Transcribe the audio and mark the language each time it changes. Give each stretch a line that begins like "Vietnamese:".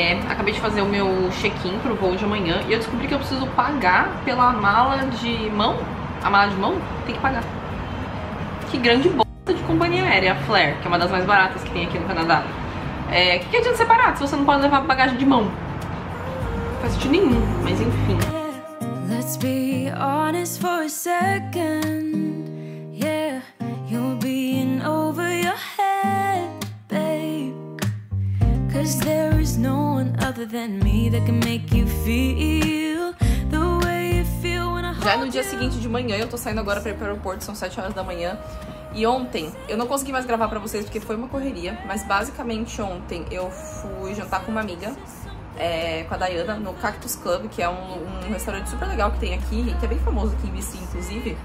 Portuguese: Acabei de fazer o meu check-in pro voo de amanhã e eu descobri que eu preciso pagar pela mala de mão. A mala de mão? Tem que pagar. Que grande bosta de companhia aérea, a Flair, que é uma das mais baratas que tem aqui no Canadá. Que adianta ser barato se você não pode levar bagagem de mão? Não faz sentido nenhum, mas enfim.
English: Let's be honest for a second. Yeah, you'll be in over your head, babe. 'Cause there is no one other than me that can make you feel the way you feel when I hold you.
Portuguese: Já no dia seguinte de manhã, eu tô saindo agora pra ir pro aeroporto, são 7 horas da manhã. E ontem, eu não consegui mais gravar pra vocês porque foi uma correria, mas basicamente ontem eu fui jantar com uma amiga. Com a Dayana no Cactus Club, que é um restaurante super legal que tem aqui, que é bem famoso aqui em BC, inclusive.